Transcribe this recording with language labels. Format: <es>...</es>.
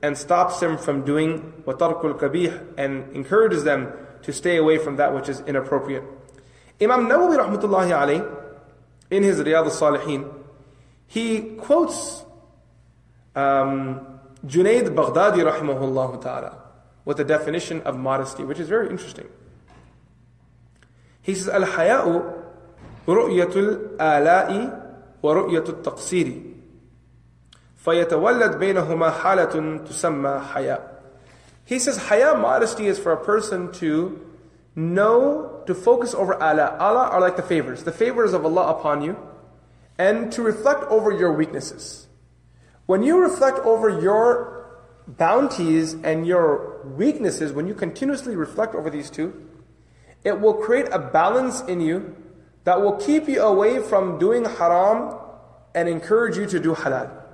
<en>and stops them from doing</en> <ar>وَتَرْكُ الْكَبِيحِ</ar> <en>and encourages them to stay away from that which is inappropriate. Imam Nawawi rahmatullahi alayhi, in his Riyad al-Salihin, he quotes Junayd Baghdadi rahimahullahu ta'ala with a definition of modesty, which is very interesting. He says,</en> <ar>Al-Haya'u رُؤْيَةُ الْآلَاءِ وَرُؤْيَةُ التَّقْصِيرِ فَيَتَوَلَّدْ بَيْنَهُمَا حَالَةٌ تُسَمَّى حَيَاءُ.</ar> <en>He says, haya, modesty, is for a person to know, to focus over ala. Ala are like the favors of Allah upon you, and to reflect over your weaknesses. When you reflect over your bounties and your weaknesses, when you continuously reflect over these two, it will create a balance in you that will keep you away from doing haram and encourage you to do halal.</en>